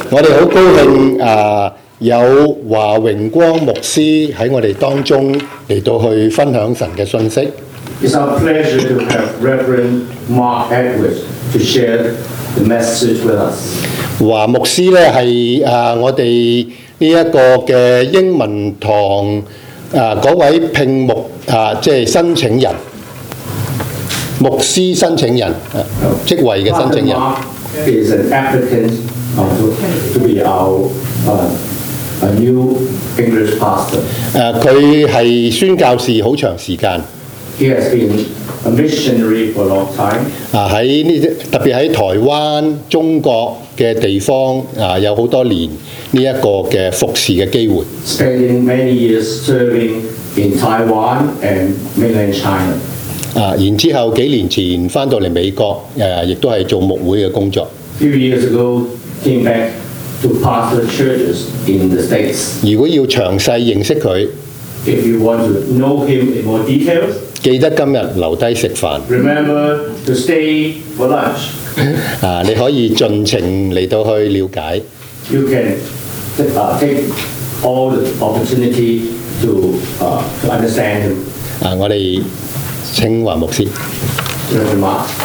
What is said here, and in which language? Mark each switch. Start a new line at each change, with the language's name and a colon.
Chinese: 我们很高兴有华荣光牧师在我们当中来到去分享神的信息。
English: It's our pleasure to have Reverend Mark Edwards to share the message with us.
Chinese: 华牧师呢是我们这个的英文堂那位聘牧即是申请人。牧师申请人职位的申请人。
English: Mark is an applicant to be our A new English pastor.
Chinese: 他是宣教士很长时间。
English: He has been a missionary for a long time.
Chinese: 特别在台湾、中国的地方有很多年这个的服侍的机会。
English: Spending many years serving in Taiwan and mainland China.
Chinese: 然后几年前回到美国也是做牧会的工作。
English: Few years ago, came back. To pastor churches in the States.
Chinese: 如果要詳細認識他
English: If you want to know him in more details,
Chinese: 記得今天留下吃飯
English: Remember to stay for lunch.
Chinese: 你可以盡情來到去了解
English: You can take all the opportunity to understand him.
Chinese: 我們請華牧師
English: Reverend Mark.